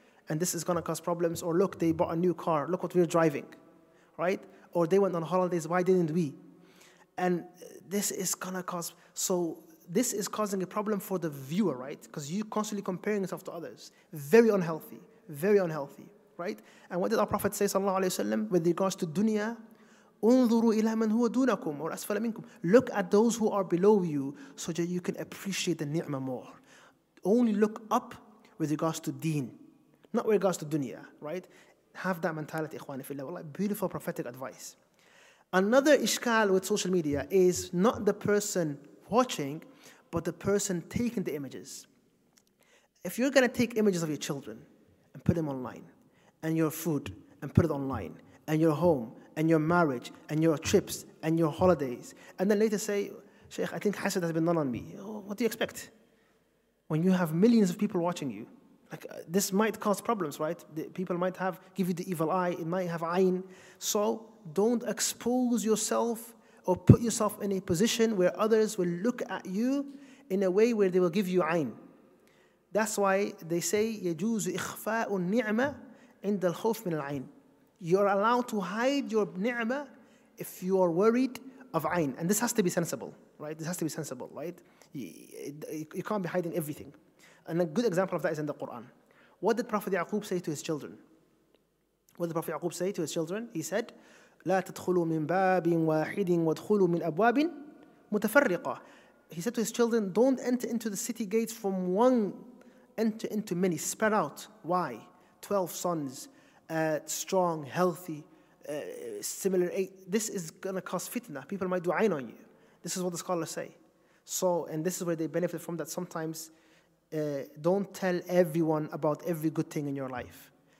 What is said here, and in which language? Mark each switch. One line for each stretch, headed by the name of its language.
English: And this is going to cause problems. Or look, they bought a new car. Look what we're driving. Right? Or they went on holidays. Why didn't we? And this is going to cause... So this is causing a problem for the viewer, right? Because you're constantly comparing yourself to others. Very unhealthy. Very unhealthy. Right? And what did our Prophet say, sallallahu alayhi wa sallam, with regards to dunya?
Arabic: انظروا إلى من هو دونكم
English: or
Arabic: أسفل منكم.
English: Look at those who are below you so that you can appreciate the ni'mah more. Only look up with regards to deen, not with regards to dunya, right? Have that mentality, ikhwani fillah. Wallahi, beautiful prophetic advice. Another ishkal with social media is not the person watching, but the person taking the images. If you're going to take images of your children and put them online, and your food and put it online, and your home and your marriage and your trips and your holidays, and then later say, Shaykh, I think hasad has been done on me. What do you expect? When you have millions of people watching you, like this might cause problems, right? The people might have give you the evil eye, it might have ayn. So don't expose yourself or put yourself in a position where others will look at you in a way where they will give you ayn. That's why they say,
Arabic: يَجُوزُ إِخْفَاءُ النِّعْمَةِ عِنْدَ الْخَوْفِ مِنَ الْعَيْنِ.
English: You're allowed to hide your ni'mah if you are worried of ayn. And this has to be sensible, right? This has to be sensible, right? You can't be hiding everything. And a good example of that is in the Quran. What did Prophet Ya'qub say to his children? What did Prophet Ya'qub say to his children? He said,
Arabic: لا تدخلوا من باب واحد وادخلوا من أبواب متفرقة.
English: He said to his children, don't enter into the city gates from one, enter into many, spread out. Why? 12 sons, strong, healthy, similar. This is going to cause fitna. People might do ayn on you. This is what the scholars say. So, and this is where they benefit from that sometimes. Don't tell everyone about every good thing in your life.